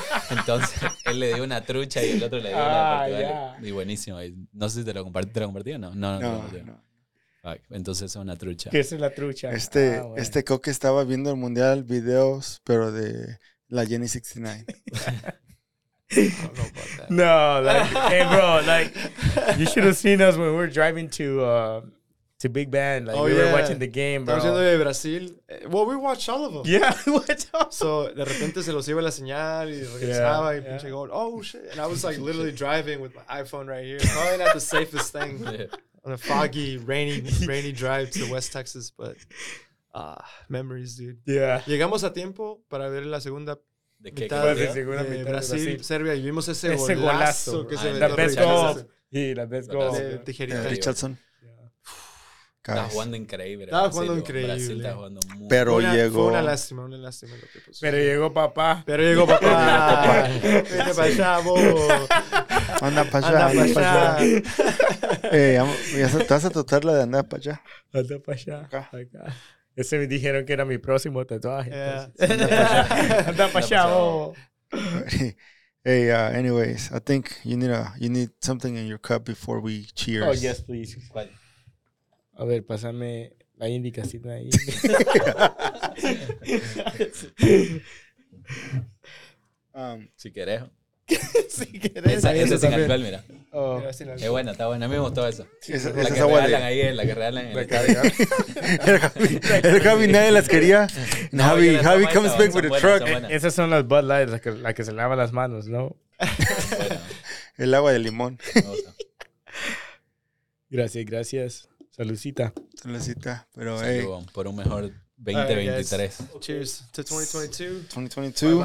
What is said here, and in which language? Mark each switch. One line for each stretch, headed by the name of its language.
Spanish: Entonces él le dio una trucha y el otro le dio una de Portugal. Yeah. Y buenísimo. Y no sé si te lo compartí, o no. No. Entonces es una trucha. ¿Qué es la trucha? Este Coque estaba viendo el mundial videos, pero de la Jenny 69.
English: I don't know about that. No, like, hey, bro, like, you should have seen us when we were driving to Big Ben. Like, we were watching the game, bro.
Spanish: Estamos yendo de Brasil.
English: Well, we watched all of them. Yeah, we watched all.
Spanish: So, de repente se los iba la señal y regresaba y pinche gol.
English: Oh, shit. And I was, like, literally driving with my iPhone right here. Probably not the safest thing on a foggy, rainy drive to West Texas, but memories, dude. Yeah.
Spanish: Llegamos a tiempo para ver la segunda de Brasil, Serbia, y vimos ese golazo que se
English: la best goal. Richardson. Guys.
Spanish: Está jugando increíble. Está jugando increíble. Brasil está jugando muy bien. Pero llegó. Fue una lástima lo que pasó. Pero llegó papá. Pero llegó papá. Vete para allá, bobo. Anda para allá. Anda para allá. Te vas a tatuar la de andar para allá. Anda para allá. Acá. Ese me dijeron que era mi próximo tatuaje. Yeah. Anda para allá, bobo.
English: Hey, anyways, I think you need something in your cup before we cheers. Oh, yes, please. Bye.
Spanish: A ver, pásame la indicación ahí. Si querés. Si querés. Esa es sin alcohol, mira. Oh. Es buena, está buena. A mí me gustó eso. Esa es la que regalan ahí, la que regalan en el Javi. El Javi nadie las quería.
English: No, Javi, la Javi comes back with a truck.
Spanish: Esas son las Bud Light, la que se lava las manos, ¿no? El agua de limón. Gracias, gracias. Salucita. Salucita. Pero, hey. Por un mejor 2023.
English: Cheers to 2022. 2022.